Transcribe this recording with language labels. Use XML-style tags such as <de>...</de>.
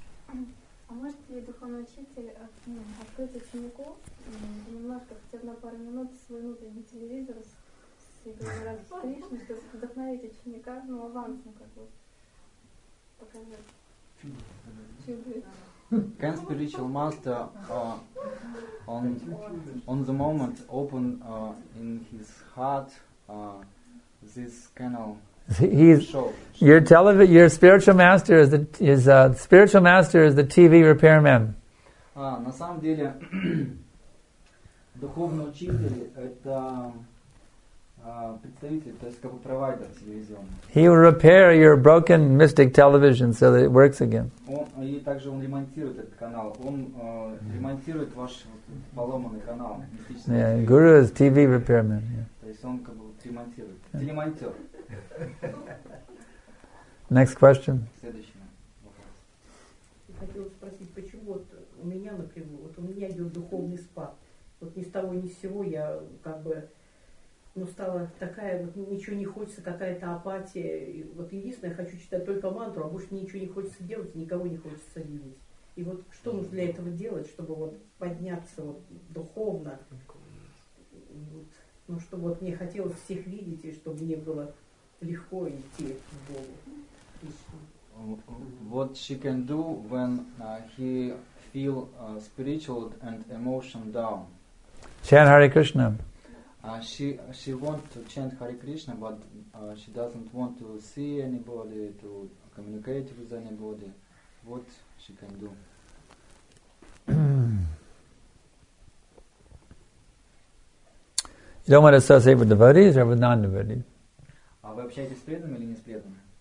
<ru>А может ли духовный учитель открыть ученику немножко, хотя бы на пару минут, свой внутренний телевизор с игрой Кришны, чтобы вдохновить ученика, ну, авансом, как бы, показать чудо?</ru> <en>Can spiritual master on the moment open in his heart this canal? He's show. Your your spiritual master is spiritual master is the TV repairman.</en> <ru>На самом деле духовный учитель это представитель, то есть как провайдер телевизионный.</ru> <en>He will repair your broken mystic television so that it works again.</en> <ru>Он, и также он ремонтирует этот канал. Он ремонтирует ваш поломанный канал.</ru> <en>Yeah, Guru is TV repairman. Yeah.</en> <ru>То есть он как бы ремонтирует. Yeah. Телемонтер.</ru> <en>Next question.</en> <ru>Следующий вопрос. Хотел спросить, почему вот у меня, например, вот у меня идет духовный спад. Вот ни с того ни с сего я как бы ну, стала такая, вот ничего не хочется, какая-то апатия. И вот единственное, я хочу читать только мантру, а больше ничего не хочется делать, никого не хочется видеть. И вот что нужно для этого делать, чтобы вот подняться вот духовно? Вот, ну, чтобы вот мне хотелось всех видеть, и чтобы мне было легко идти к Богу.</ru> <en>What she can do when he feel spiritual and emotion down? Chant Hare Krishna. She wants to chant Hare Krishna, but she doesn't want to see anybody, to communicate with anybody. What she can do? You don't want to associate with devotees or with non-devotees?</en> <ru>А вы общаетесь с преданными или не с преданными?</ru>